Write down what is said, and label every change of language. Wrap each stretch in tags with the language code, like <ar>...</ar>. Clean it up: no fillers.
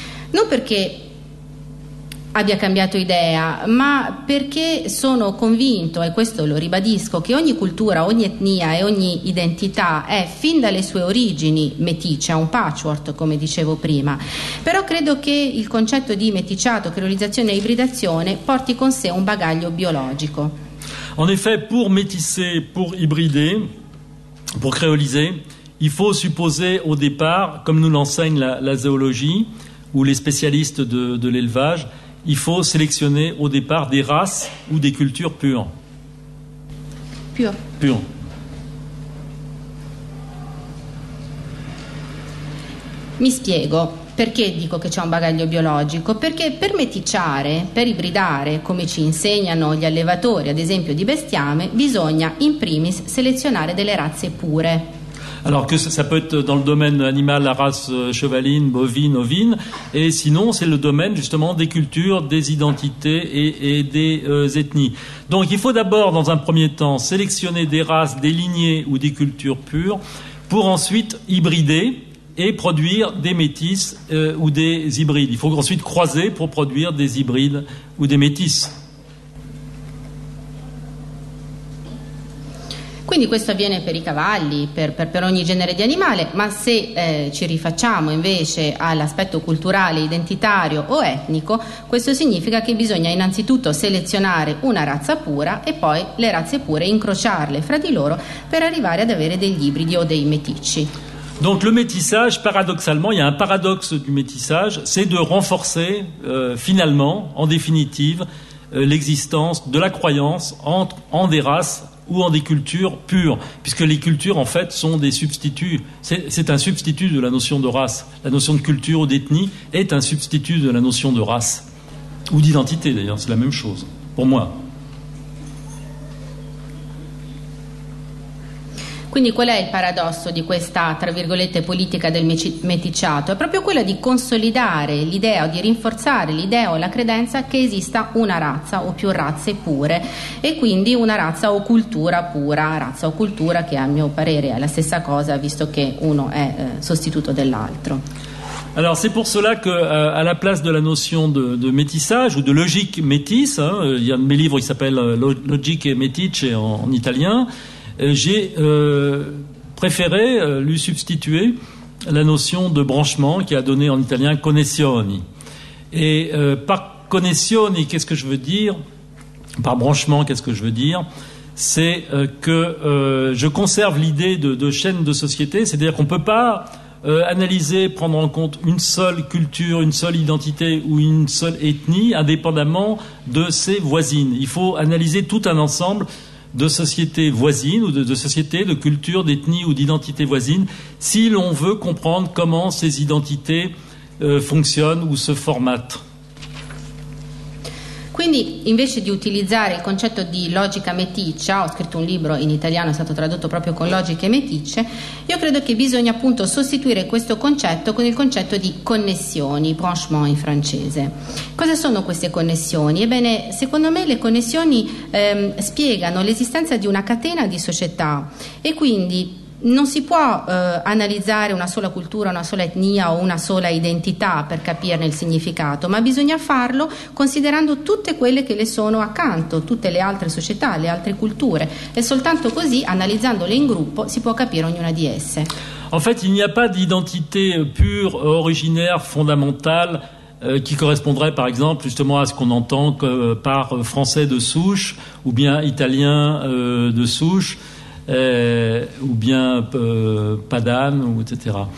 <it>Non perché abbia cambiato idea, ma perché sono convinto, e questo lo ribadisco, che ogni cultura, ogni etnia e ogni identità è fin dalle sue origini meticcia, un patchwork, come dicevo prima. Però credo che il concetto di meticciato, creolizzazione e ibridazione porti con sé un bagaglio biologico.</it> <fr>En effet, pour métisser, pour hybrider, pour créoliser, il faut supposer au départ, comme nous l'enseigne la zoologie ou les spécialistes de l'élevage, il faut sélectionner au départ des races ou des cultures pures. Pures.</fr> <it>Mi spiego. Perché dico che c'è un bagaglio biologico? Perché per meticciare, per ibridare, come ci insegnano gli allevatori, ad esempio di bestiame, bisogna in primis selezionare delle razze pure.</it> <fr>Alors que ça peut être dans le domaine animal, la race chevaline, bovine, ovine, et sinon c'est le domaine justement des cultures, des identités et des ethnies. Donc il faut d'abord, dans un premier temps, sélectionner des races, des lignées ou des cultures pures, pour ensuite hybrider et produire des métis ou des hybrides. Il faut ensuite croiser pour produire des hybrides ou des métis. Quindi questo avviene per i cavalli, per ogni genere di animale, ma se ci rifacciamo invece all'aspetto culturale, identitario o etnico, questo significa che bisogna innanzitutto selezionare una razza pura e poi le razze pure incrociarle fra di loro per arrivare ad avere degli ibridi o dei meticci. Donc le métissage, paradoxalement, il y a un paradoxe du métissage, c'est de renforcer finalement, en définitive, l'existence de la croyance en des races ou en des cultures pures, puisque les cultures, en fait, sont des substituts. C'est un substitut de la notion de race. La notion de culture ou d'ethnie est un substitut de la notion de race ou d'identité, d'ailleurs. C'est la même chose, pour moi.</fr> <it>Quindi qual è il paradosso di questa, tra virgolette, politica del meticciato? È proprio quella di consolidare l'idea, di rinforzare l'idea o la credenza che esista una razza o più razze pure, e quindi una razza o cultura pura, razza o cultura che a mio parere è la stessa cosa, visto che uno è sostituto dell'altro.</it> <fr>Alors c'est pour cela que à la place de la notion de métissage ou de logique métisse, hein, il y a un de mes livres qui s'appelle Logique et Métice en italien, j'ai préféré lui substituer la notion de branchement qui a donné en italien connessioni. Et par connessioni, qu'est-ce que je veux dire? Par branchement, qu'est-ce que je veux dire? C'est je conserve l'idée de chaîne de société, c'est-à-dire qu'on ne peut pas analyser, prendre en compte une seule culture, une seule identité ou une seule ethnie indépendamment de ses voisines. Il faut analyser tout un ensemble de sociétés voisines ou de sociétés, de cultures, d'ethnies ou d'identités voisines, si l'on veut comprendre comment ces identités fonctionnent ou se formatent.</fr> <it>Quindi, invece di utilizzare il concetto di logica meticcia, ho scritto un libro in italiano, è stato tradotto proprio con logiche meticce, io credo che bisogna appunto sostituire questo concetto con il concetto di connessioni, branchement in francese. Cosa sono queste connessioni? Ebbene, secondo me le connessioni spiegano l'esistenza di una catena di società e quindi non si può analizzare una sola cultura, una sola etnia o una sola identità per capirne il significato, ma bisogna farlo considerando tutte quelle che le sono accanto, tutte le altre società, le altre culture, e soltanto così, analizzandole in gruppo, si può capire ognuna di esse.</it> <fr>En fait, il n'y a pas d'identité pure, originaire, fondamentale qui correspondrait par exemple justement à ce qu'on entend par français de souche ou bien italien de souche. Ou bien Padan, ou etc.</fr>